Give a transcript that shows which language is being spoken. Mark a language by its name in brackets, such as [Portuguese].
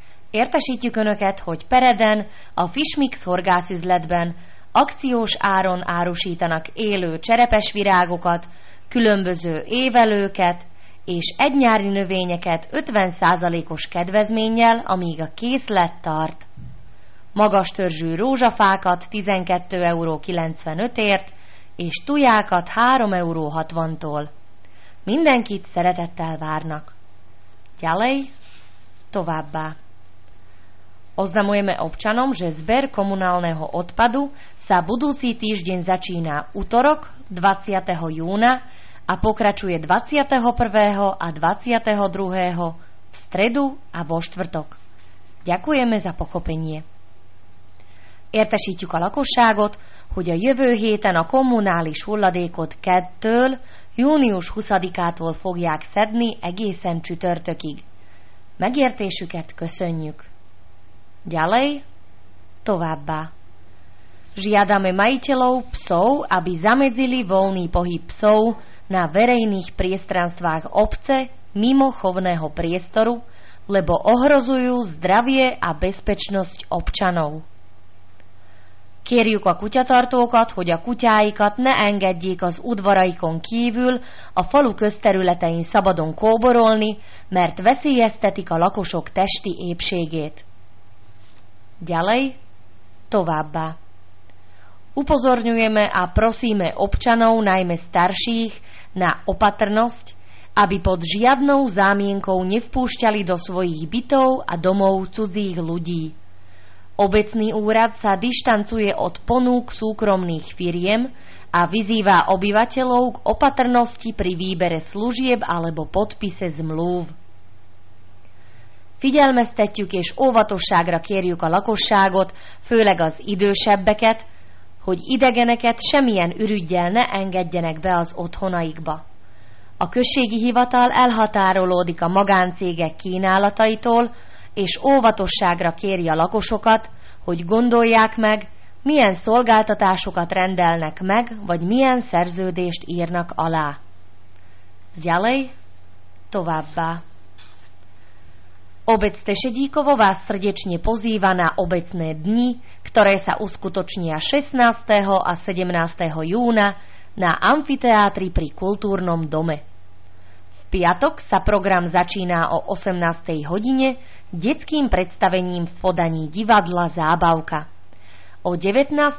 [Hungarian] Értesítjük Önöket, hogy Pereden a Fishmix horgászüzletben akciós áron árusítanak élő cserepes virágokat, különböző évelőket és egynyári növényeket 50%-os kedvezménnyel, amíg a készlet tart. Magas törzsű rózsafákat 12,95 € és tujákat 3,60 €-tól. Mindenkit szeretettel várnak. [Slovak] Gyalej, [Hungarian] továbbá. [Slovak] Oznamujeme občanom, že zber komunálneho odpadu sa budúci týždeň začína utorok 20. júna a pokračuje 21. a 22. v stredu a vo štvrtok. Ďakujeme za pochopenie. [Hungarian] Értesítjük a lakosságot, hogy a jövő héten a kommunális hulladékot 2-től június 20-ától fogják szedni egészen csütörtökig. Megértésüket köszönjük! [Slovak] Ďalej, [Hungarian] továbbá. [Slovak] Žiadame majiteľov psov, aby zamedzili voľný pohyb psov na verejných priestranstvách obce mimo chovného priestoru, lebo ohrozujú zdravie a bezpečnosť občanov. [Hungarian] Kérjük a kutyatartókat, hogy a kutyáikat ne engedjék az udvaraikon kívül a falu közterületein szabadon kóborolni, mert veszélyeztetik a lakosok testi épségét. [Slovak] Ďalej, [Hungarian] továbbá. [Slovak] Upozorňujeme a prosíme občanov, najmä starších, na opatrnosť, aby pod žiadnou zámienkou nevpúšťali do svojich bytov a domov cudzích ľudí. Obecný úrad sa dištancuje od ponúk súkromných firiem a vyzýva obyvateľov k opatrnosti pri výbere služieb alebo podpise zmluv. [Hungarian] Figyelmeztetjük és óvatosságra kérjük a lakosságot, főleg az idősebbeket, hogy idegeneket semmilyen ürüggyel ne engedjenek be az otthonaikba. A községi hivatal elhatárolódik a magáncégek kínálataitól, és óvatosságra kéri a lakosokat, hogy gondolják meg, milyen szolgáltatásokat rendelnek meg, vagy milyen szerződést írnak alá. [Slovak] Gyalej, [Hungarian] továbbá. [Slovak] Obec Tešedíkovo vás srdečne pozýva na obecné dni, ktoré sa uskutočnia 16. a 17. júna na amfiteátri pri kultúrnom dome. V piatok sa program začína o 18. hodine detským predstavením v podaní divadla Zábavka. O 19.